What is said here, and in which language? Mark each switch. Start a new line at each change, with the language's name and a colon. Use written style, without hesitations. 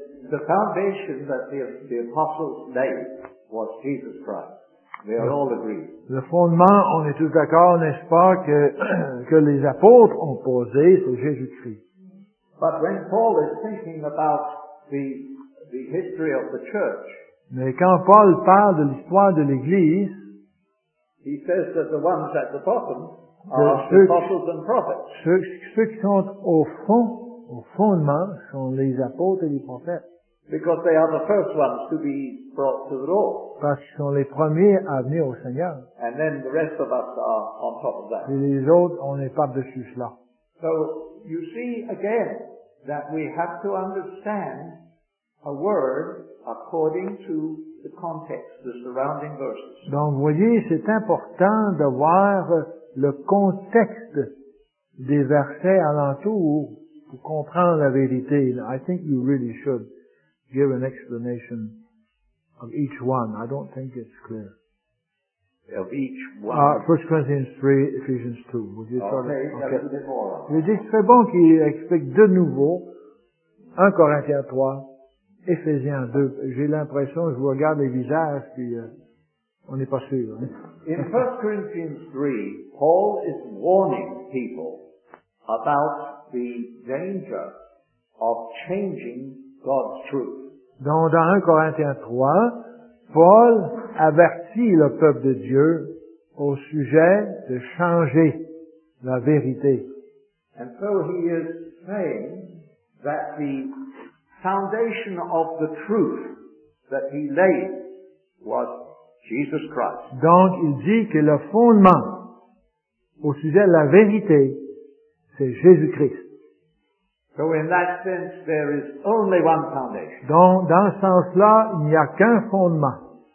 English: The foundation that the apostles laid was Jesus Christ. They are all agreed.
French: Le fondement, on est tous d'accord, n'est-ce pas, que les apôtres ont posé, c'est Jésus-Christ.
English: But when Paul is thinking about the history of the church,
French: mais quand Paul parle de l'histoire de l'Église,
English: he says that the ones at the bottom are the apostles and prophets.
French: Ceux qui sont au fondement, sont les apôtres et les prophètes.
English: Because they are the first ones to be brought to the Lord.
French: Parce qu'ils sont les premiers à venir au Seigneur.
English: And then the rest of us are on top of that.
French: Et les autres, on n'est pas dessus cela.
English: So, you see again that we have to understand a word according to the context, the surrounding verses.
French: Donc, voyez, c'est important de voir le contexte des versets alentour pour comprendre la vérité.
English: I think you really should give an explanation of each one. I don't think it's clear. Of each one. 1 Corinthians 3, Ephesians 2. Would you okay. Start? Okay.
French: Il dit que c'est bon qu'il explique de nouveau 1 Corinthiens 3, Ephésiens 2. J'ai l'impression, je vous regarde les visages, puis on n'est pas sûr. Hein?
English: In 1 Corinthians 3, Paul is warning people about the danger of changing God's truth.
French: Donc, dans 1 Corinthiens 3, Paul avertit le peuple de Dieu au sujet de changer la vérité.
English: And so he is saying that the foundation of the truth that he laid was Jesus Christ.
French: Donc, il dit que le fondement au sujet de la vérité, c'est Jésus-Christ.
English: So in that sense, there is only one foundation.
French: Donc, dans ce sens-là, il n'y a qu'un fondement.